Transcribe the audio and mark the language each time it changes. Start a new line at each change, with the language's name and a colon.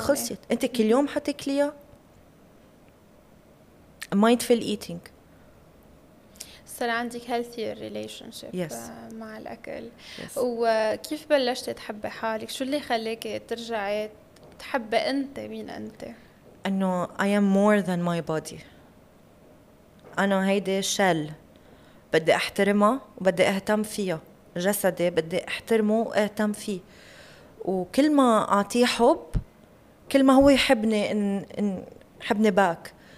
Arabic: خلصت انت كل يوم حتاكليها
English: mindful eating.
Arabic: صار عندك
English: healthy relationship yes.
Arabic: مع الأكل
English: yes.
Arabic: وكيف بلشت تحب حالك؟ شو اللي خليك ترجعي تحب أنت مين أنت؟ أنه
English: I am more than my body.
Arabic: أنا هيدي شل بدي أحترمها وبدي أهتم فيها. جسدي بدي أحترمه وأهتم فيه وكل ما أعطيه حب كل ما هو يحبني إن حبني باك.